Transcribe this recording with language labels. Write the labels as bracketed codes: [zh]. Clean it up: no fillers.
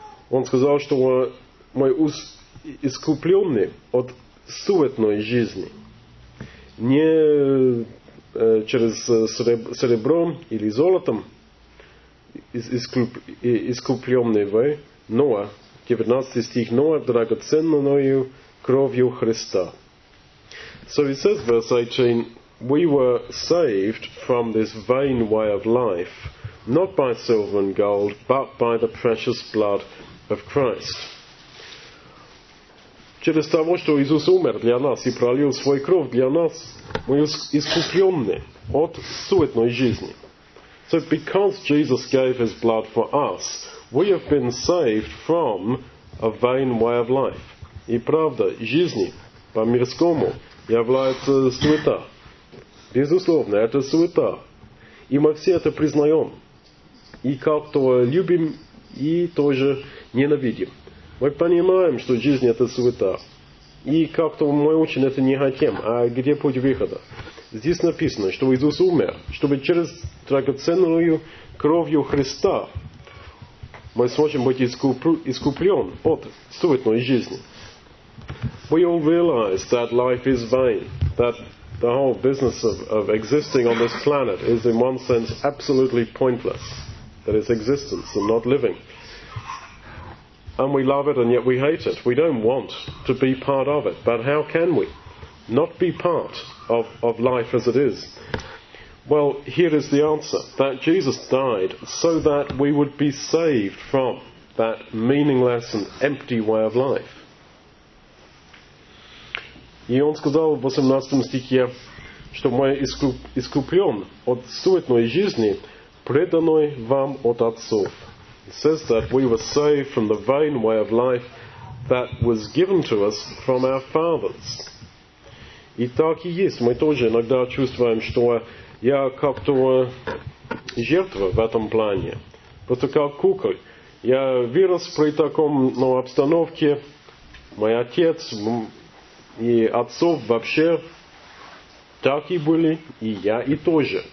[ru] Он сказал, что мы искуплены от суетной жизни, не через серебром или золотом искуплены вы, но, 19 стих, но драгоценною кровью Христа. [en] So he says, verse 18, we were saved from this vain way of life, not by silver and gold, but by the precious blood of Christ. [ru] Через того, что Иисус умер для нас и пролил свою кровь для нас, мы искуплены от суетной жизни. [en] So because Jesus gave his blood for us, we have been saved from a vain way of life. [ru] И правда, жизни по-мирскому является суета. Безусловно, это суета. И мы все это признаем. И как-то любим, и тоже ненавидим. Мы понимаем, что жизнь – это суета. И как-то мы очень это не хотим. А где путь выхода? Здесь написано, что Иисус умер, чтобы через драгоценную кровью Христа мы сможем быть искуплен от суетной жизни. [en] We all realize that life is vain, that the whole business of existing on this planet is in one sense absolutely pointless, that it's existence and not living. And we love it and yet we hate it. We don't want to be part of it. But how can we not be part of life as it is? Well, here is the answer, that Jesus died so that we would be saved from that meaningless and empty way of life. [ru] И он сказал в 18 стихе, что мы искуплен от суетной жизни, преданной вам от отцов. [en] He says that we were saved from the vain way of life that was given to us from our fathers. [ru] И так и есть. Мы тоже иногда чувствуем, что я как-то жертва в этом плане. Просто как куколь. Я вырос при таком, ну, обстановке. Мой отец и отцов вообще так и были, и я и тоже.